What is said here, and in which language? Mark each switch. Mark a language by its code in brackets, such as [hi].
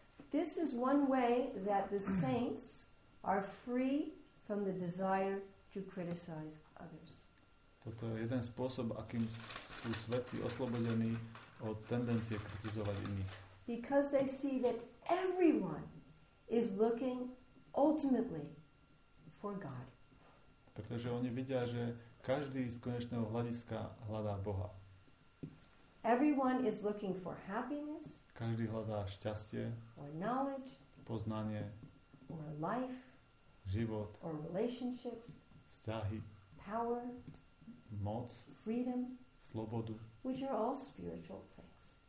[en] This is one way that the saints are free from the desire to criticize others. [sk] Toto je jeden spôsob, akým sú svätí oslobodení od tendencie kritizovať iných. [en] Because they see that everyone is looking ultimately for God. [sk] Pretože oni vidia, že každý z konečného hľadiska hľadá Boha. [en] Everyone is looking for happiness. [sk] Každý hľadá šťastie, [en] or knowledge, [sk] poznanie, [en] or life, [sk] život, [en] or relationships, [sk] vzťahy, [en] power, [sk] moc, [en] freedom, [sk] slobodu, [en] which are all spiritual things.